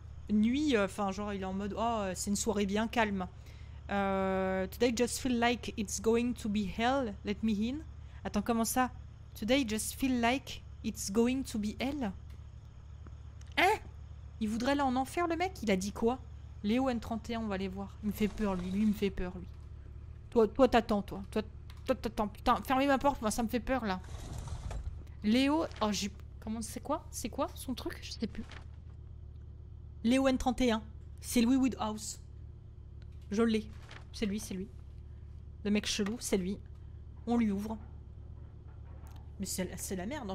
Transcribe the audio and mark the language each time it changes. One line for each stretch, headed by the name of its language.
French: Nuit, enfin genre il est en mode oh c'est une soirée bien calme.
English: Today just feel like it's going to be hell. Let me in.
French: Attends, comment ça?
English: Today just feel like it's going to be hell.
French: Hein? Il voudrait aller en enfer, le mec? Il a dit quoi? Léo N31, on va aller voir. Il me fait peur, lui. Lui, il me fait peur, lui. Toi, t'attends, toi. Toi, t'attends. Putain, fermez ma porte, moi, ça me fait peur, là. Léo. Oh, j'ai. Comment c'est quoi? C'est quoi son truc? Je sais plus. Léo N31. C'est Louis Woodhouse. Je l'ai. C'est lui, c'est lui. Le mec chelou, c'est lui. On lui ouvre. Mais c'est la merde, hein.